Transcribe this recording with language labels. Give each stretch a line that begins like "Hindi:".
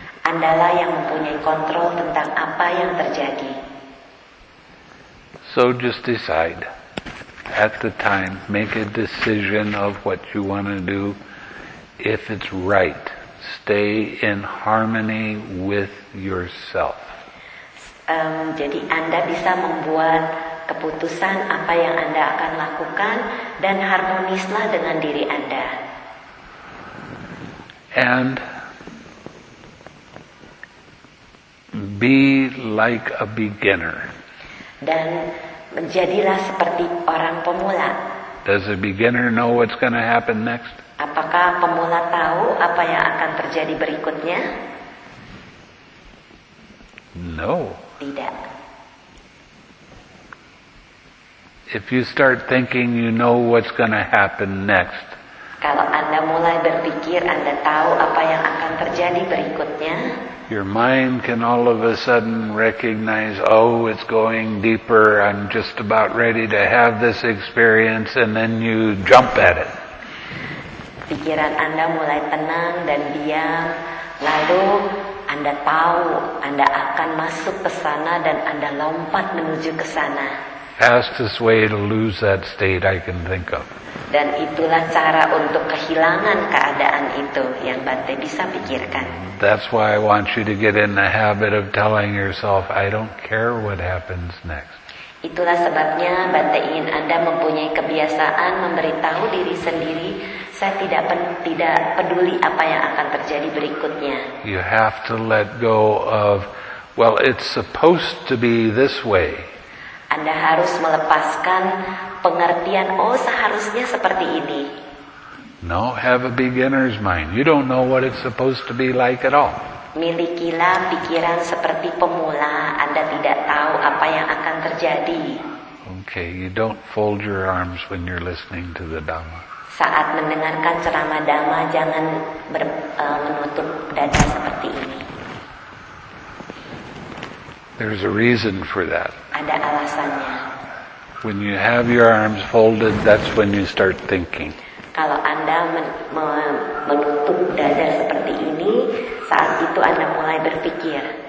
Indonesian: Andalah yang mempunyai kontrol tentang apa yang terjadi.
English: So just decide at the time, make a decision of what you want to do. If it's right, stay in harmony with yourself.
Indonesian: Jadi Anda bisa membuat keputusan apa yang Anda akan lakukan dan harmonislah dengan diri Anda.
English: And be like a beginner.
Indonesian: Dan menjadilah seperti orang pemula.
English: Does a beginner know what's going to happen next?
Indonesian: Apakah pemula tahu apa yang akan terjadi berikutnya?
English: No.
Indonesian: Tidak.
English: If you start thinking you know what's going to happen next.
Indonesian: Kalau Anda mulai berpikir Anda tahu apa yang akan terjadi berikutnya.
English: Your mind can all of a sudden recognize, oh, it's going deeper. I'm just about ready to have this experience, and then you jump at it.
Indonesian: Pikiran Anda mulai tenang dan diam, lalu Anda tahu Anda akan masuk ke sana dan Anda lompat menuju ke sana.
English: Fastest way to lose that state I can think of.
Indonesian: Dan itulah cara untuk kehilangan keadaan itu yang Bante bisa pikirkan.
English: That's why I want you to get in the habit of telling yourself, I don't care what happens next.
Indonesian: Itulah sebabnya Bante ingin Anda mempunyai kebiasaan memberitahu diri sendiri, saya tidak peduli apa yang akan terjadi berikutnya.
English: You have to let go of, well, it's supposed to be this way.
Indonesian: Anda harus melepaskan pengertian, oh, seharusnya seperti ini.
English: No, have a beginner's mind. You don't know what it's supposed to be like at all.
Indonesian: Milikilah pikiran seperti pemula. Anda tidak tahu apa yang akan terjadi.
English: Okay, you don't fold your arms when you're listening to the Dhamma.
Indonesian: Saat mendengarkan ceramah Dhamma, jangan menutup dada seperti ini.
English: There's a reason for that.
Indonesian: Ada alasannya.
English: When you have your arms folded, that's when you start thinking.
Indonesian: Kalau Anda menutup dada seperti ini, saat itu Anda mulai berpikir.